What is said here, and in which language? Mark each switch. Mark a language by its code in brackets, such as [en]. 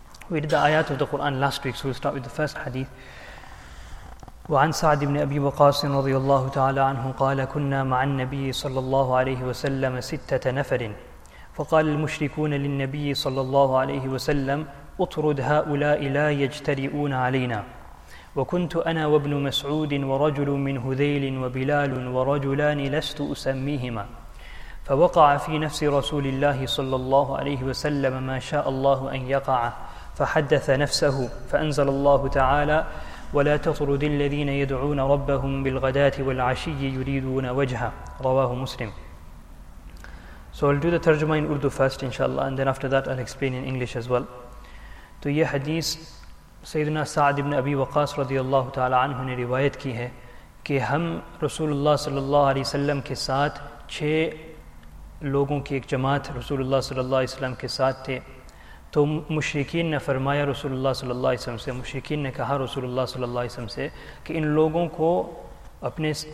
[en] We did the ayat of the Quran last week, so we'll start with the first hadith. [ar] وعن سعد بن أبي وقاص رضي الله تعالى عنه قال كنا مع النبي صلى الله عليه وسلم ستة نفر فقال المشركون للنبي صلى الله عليه وسلم اطرد هؤلاء لا يجترئون علينا وكنت أنا وابن مسعود ورجل من هذيل وبلال ورجلان لست أسميهما فوقع في نفس رسول الله صلى الله عليه وسلم ما شاء الله أن يقع فحدث نفسه فأنزل الله تعالى ولا تطرد الذين يدعون ربهم بالغداة والعشي يريدون وجهه رواه مسلم [en] So I'll do the tarjuma in Urdu first inshallah and then after that I'll explain in English as well. [ur] To ye hadith سیدنا سعد بن ابی وقاص رضی اللہ تعالی عنہ نے روایت کی ہے کہ ہم رسول اللہ صلی اللہ علیہ وسلم کے ساتھ 6 لوگوں کی ایک جماعت رسول اللہ صلی اللہ علیہ وسلم کے ساتھ تھے تو مشرکین نے فرمایا رسول اللہ صلی اللہ علیہ وسلم سے مشرکین نے کہا رسول اللہ صلی اللہ علیہ وسلم سے کہ ان لوگوں کو اپنے